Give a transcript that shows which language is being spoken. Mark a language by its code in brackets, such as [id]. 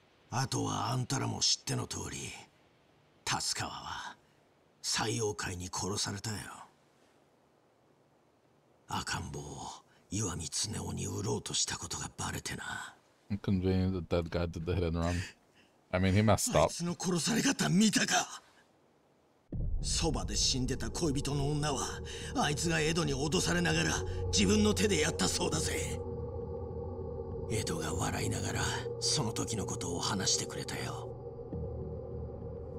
[ja] あとはあんたらも知っての通り、達川は採用会に殺されたよ。赤ん坊を岩見恒雄に売ろうとしたことがバレてな。 [en] Convenient that that guy did the hit and run. I mean, he messed up. [ja] あいつの殺され方見たか。そばで死んでた恋人の女はあいつが江戸に脅されながら自分の手でやったそうだぜ。江戸が笑いながらその時のことを話してくれたよ。